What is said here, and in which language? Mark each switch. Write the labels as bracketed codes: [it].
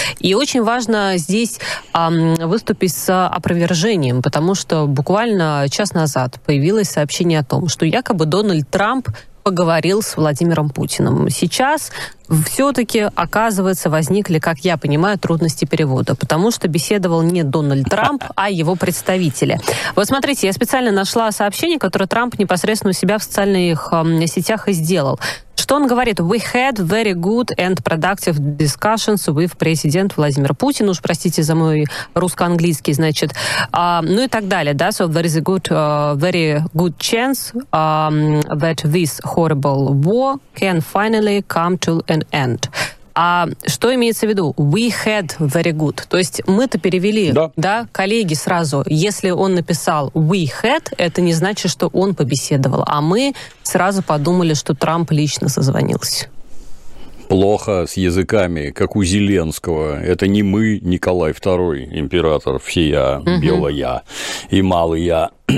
[ru] И очень важно здесь выступить с опровержением, потому что буквально час назад появилось сообщение о том, что якобы Дональд Трамп поговорил с Владимиром Путиным. Сейчас все-таки, оказывается, возникли, как я понимаю, трудности перевода, потому что беседовал не Дональд Трамп, а его представители. Вот смотрите, я специально нашла сообщение, которое Трамп непосредственно у себя в социальных сетях и сделал. Что он говорит? [en] «We had very good and productive discussions with President Vladimir Putin». [ru] Уж простите за мой русско-английский, значит. Ну и так далее, да? [en] «So there is a good, very good chance that this horrible war can finally come to an end». [ru] А что имеется в виду? [en] «We had very good». [ru] То есть мы-то перевели, да, коллеги сразу. Если он написал [en] «we had», [ru] это не значит, что он побеседовал. А мы сразу подумали, что Трамп лично созвонился. Плохо с языками, как у Зеленского. Это не мы, Николай II, император всея, белая и малая.